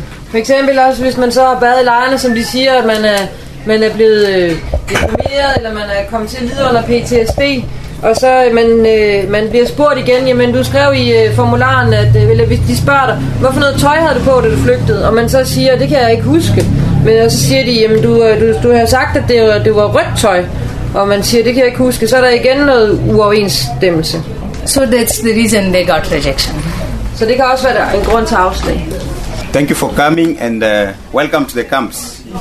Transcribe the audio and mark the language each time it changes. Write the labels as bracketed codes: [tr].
[da] For eksempel også, hvis man så har badet i lejrene, som de siger, at man er blevet deprimeret, eller man er kommet til at lide under PTSD, og så man bliver spurgt igen, jamen du skrev i formularen, at hvis de spørger dig, hvorfor noget tøj havde du på, da du flygtede, og man så siger, det kan jeg ikke huske, men så siger de, jamen du har sagt, at det var rødt tøj, og man siger, det kan jeg ikke huske, så er der igen noget uoverensstemmelse. [en] So that's the reason they got rejection. [da] So det kan også være en grund til afslag. [en] Thank you for coming and welcome to the camps.